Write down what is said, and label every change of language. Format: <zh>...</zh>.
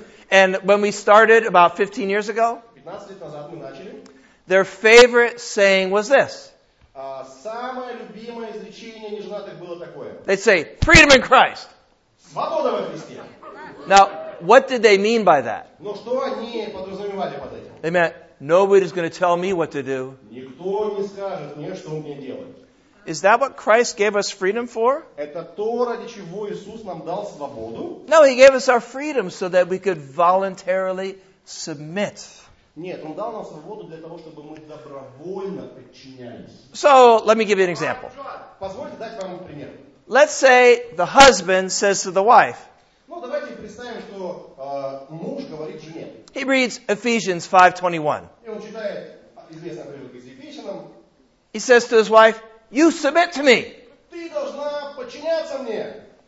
<en>And when we started about 15 years ago,</en> <ru>15 лет назад мы начали,</ru> <en>their favorite saying was this.</en> <ru>Самое любимое изречение неженатых было такое.</ru> <en>They'd say, freedom in Christ.</en> <ru>Свобода во Христе.</ru> <en>Now, what did they mean by that?</en> <ru>Но что они подразумевали под этим?</ru> <en>They meant, nobody's going to tell me what to do.</en> <ru>Никто не скажет мне, что мне делать.</ru> <en>Is that what Christ gave us freedom for?</en> <ru>Это то, ради чего Иисус нам дал свободу?</ru> <en>No, he gave us our freedom so that we could voluntarily submit.</en> <ru>Нет, он дал нам свободу для того, чтобы мы добровольно подчинялись.</ru> <en>So, let me give you an example.</en> <ru>Позвольте дать вам пример.</ru> <en>Let's say the husband says to the wife.</en> <ru>Ну, давайте представим, что муж говорит жене.</ru> <en>He reads Ephesians 5:21.</en> <ru>И он читает известный отрывок из Ефесянам.</ru> <en>He says to his wife, you submit to me.</en> <ru>Ты должна подчиняться мне.</ru>